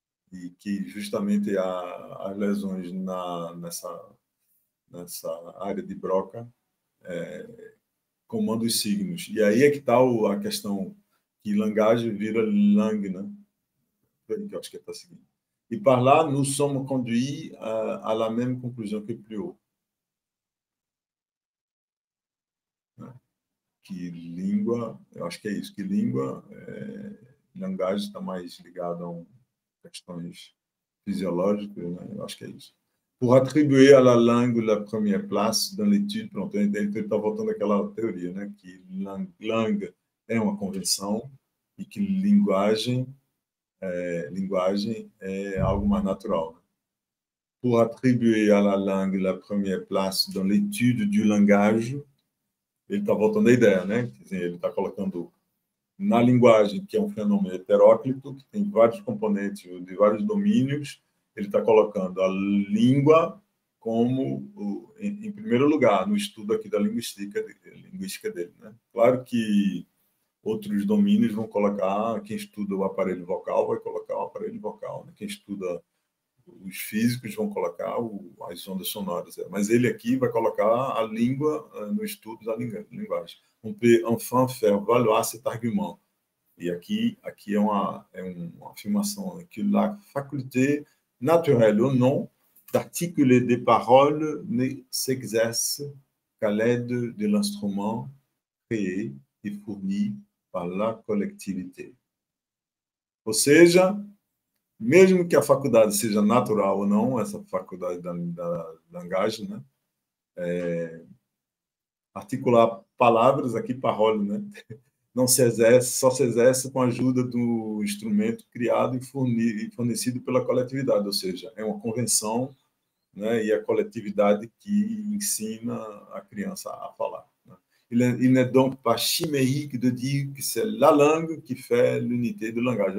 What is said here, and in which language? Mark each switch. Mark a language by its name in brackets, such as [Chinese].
[Portuguese] E que justamente as lesões nessa área de Broca comanda os signos. E aí é que está a questão que langage vira lang, né? Que eu acho que está seguindo. [French] E par là, nous sommes conduits à la même conclusion que plus haut. [Portuguese] Que língua, eu acho que é isso, que língua, linguagem está mais ligada a questões fisiológicas, né? Eu acho que é isso. [French] Pour attribuer à la langue la première place dans l'étude, [Portuguese] pronto, ele está voltando àquela teoria, né? Que langue é uma convenção e que linguagem é algo mais natural. [French] Pour attribuer à la langue la première place dans l'étude du langage, [Portuguese] ele está voltando à ideia, né? Ele está colocando na linguagem, que é um fenômeno heteróclito, que tem vários componentes de vários domínios, ele está colocando a língua como em primeiro lugar no estudo aqui da linguística dele, né? Claro que outros domínios vão colocar, quem estuda o aparelho vocal vai colocar o aparelho vocal, né? Quem estuda os físicos vão colocar as ondas sonoras. É. Mas ele aqui vai colocar a língua no estudo da linguagem. [French] On peut enfin faire valoir cet argument. [Portuguese] E aqui é uma afirmação, né? [French] Que la faculté naturelle ou non d'articuler des paroles ne s'exerce qu'à l'aide de l'instrument créé e fourni par la collectivité. [Portuguese] Ou seja, mesmo que a faculdade seja natural ou não, essa faculdade da linguagem, né? Articular palavras aqui para rolo, né? Não se exerce, só se exerce com a ajuda do instrumento criado e fornecido pela coletividade, ou seja, é uma convenção, né? E a coletividade que ensina a criança a falar. [French] Il n'est donc pas chimérique de dire que c'est la langue qui fait l'unité de langage.